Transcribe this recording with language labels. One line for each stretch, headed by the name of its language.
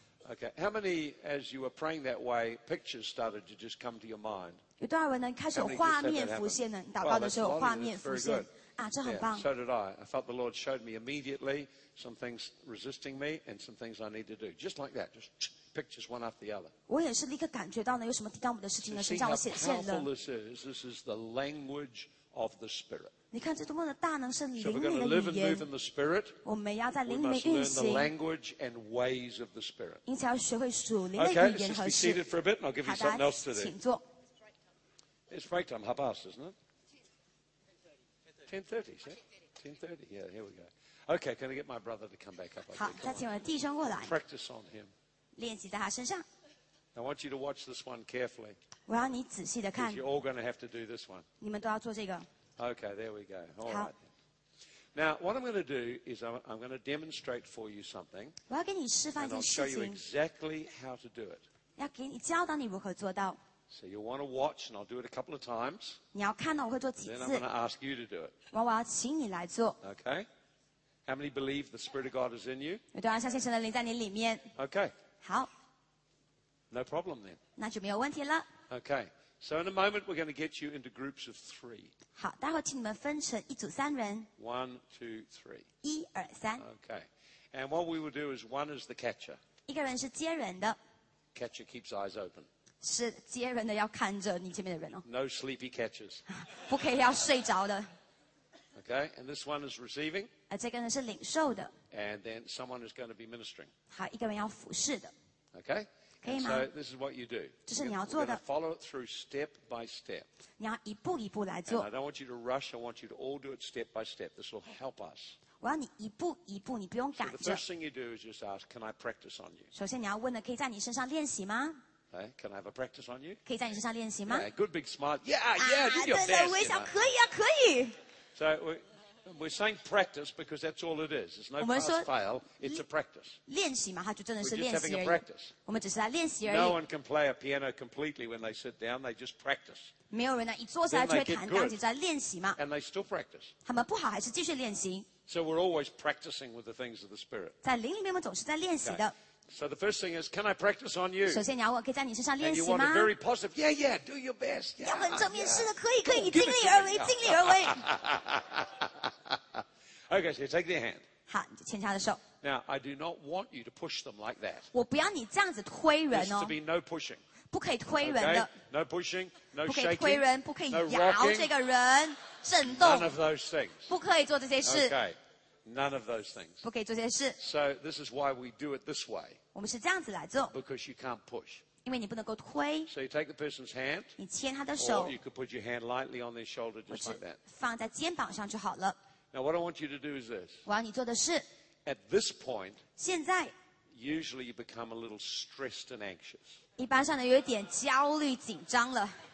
English: Okay, how many, as you were praying that way, pictures started to just come to your mind?
Chinese: 有多少人呢？开始有画面浮现呢？祷告的时候有画面浮现啊，这很棒。
English: So did I. I felt the Lord showed me immediately some things resisting me and some things I need to do, just like that. Just pictures one after the other.
Chinese: 我也是立刻感觉到呢，有什么抵挡我的事情呢？是这样显现的。
English: You see how powerful this is. This is the language of the Spirit.
Chinese: 你看这多么的大能是灵里的语言。
English: So we're going to live and move in the Spirit.
Chinese: 我们要在灵里面运行。
English: We must learn the language and ways of the Spirit.
Chinese: 因此要学会属灵的语言和事。
English: Okay, let's just be seated for a bit, and I'll give you something else to do.
Chinese: 请坐。
English: It's break time, 10:30, isn't it? 10:30, yeah, here we go. Okay, can I get my brother to come back up?
Chinese: 好，再请我的弟兄过来。
English: Practice on him.
Chinese: 练习在他身上。
English: I want you to watch this one carefully.
Chinese: 我要你仔细的看。
English: Because you're all going to have to do this one.
Chinese: 你们都要做这个。
English: Okay, there we go. All right. Now, what I'm going to do is I'm going to demonstrate for you something.
Chinese: 我要给你示范一件事情。
English: And I'll show you exactly how to do it.
Chinese: 要给你教导你如何做到。
English: So you want to watch, and I'll do it a couple of times.
Chinese: 你要看到我会做几次。
English: Then I'm going to ask you to do it.
Chinese: 我要请你来做。
English: Okay. How many believe the Spirit of God is in you?
Chinese: 有多少相信神的灵在你里面
English: ？Okay.
Chinese: 好。
English: No problem then.
Chinese: 那就没有问题了。
English: Okay. So in a moment, we're going to get you into groups of three.
Chinese: 好，待会请你们分成一组三人。
English: One, two, three.
Chinese: 一二三。
English: Okay. And what we will do is one is the catcher.
Chinese: 一个人是接人的。
English: Catcher keeps eyes open.
Chinese: 是接人的要看着你前面的人哦。
English: No sleepy catchers.
Chinese: 不可以要睡着的。
English: Okay. And this one is receiving.
Chinese: 这个人是领受的。
English: And then someone is going to be ministering.
Chinese: 好，一个人要服侍的。
English: Okay. And、 so this is what you do.
Chinese: 这是你要做的。
English: We're going to follow it through step by step.
Chinese: 你要一步一步来做。
English: And I don't want you to rush. I want you to all do it step by step. This will help us.
Chinese: 我要你一步一步，你不用赶着。
English: So the first thing you do is just ask, "Can I practice on you?"
Chinese: 首先你要问的，可以在你身上练习吗？
English: Okay, can I have a practice on you?
Chinese: 可以在你身上练习吗？
English: Yeah, good big smile. Yeah, yeah, do your best.
Chinese: 对对，微笑可以啊，可以。
English: So we're saying practice because that's all it is. It's no pass fail. It's a practice.
Chinese: 练习嘛，它就真的是练习而已。
English: We're just having a practice.
Chinese: 我们只是在练习而已。
English: No one can play a piano completely when they sit down. They just practice.
Chinese: 没有人呢，一坐下来就会弹钢琴，在练习嘛。
English: And they still practice.
Chinese: 他们不好还是继续练习。
English: So we're always practicing with the things of the Spirit.
Chinese: 在灵里面，我们总是在练习的。
English: So the first thing is, can I practice on you?
Chinese: 首先你要问，可以在你身上练习吗？
English: And you want a very positive, yeah, yeah, do your best.
Chinese: 要很正面，是的，可以，可以，尽力而为，尽力而为。
English: Okay, so you take their hand.
Chinese: 好，你就牵他的手。
English: Now, I do not want you to push them like that.
Chinese: 我不要你这样子推人哦。
English: This is to be no pushing.
Chinese: 不可以推人的。
English: Okay? No pushing, no shaking.
Chinese: 不可以推人，不可以摇这个人，震动。
English: None of those things.
Chinese: 不可以做这些事。
English: Okay, none of those things.
Chinese: 不可以做这些事。
English: So this is why we do it this way.
Chinese: 我们是这样子来做。
English: Because you can't push.
Chinese: 因为你不能够推。
English: So you take the person's hand.
Chinese: 你牵他的手。
English: Or you could put your hand lightly on their shoulder, just like that.
Chinese: 放在肩膀上就好了。
English: Now what I want you to do is this.
Chinese: 我要你做的是。
English: At this point.
Chinese: 现在。
English: Usually you become a little stressed and anxious.
Chinese: 一般上呢有一点焦虑紧张了。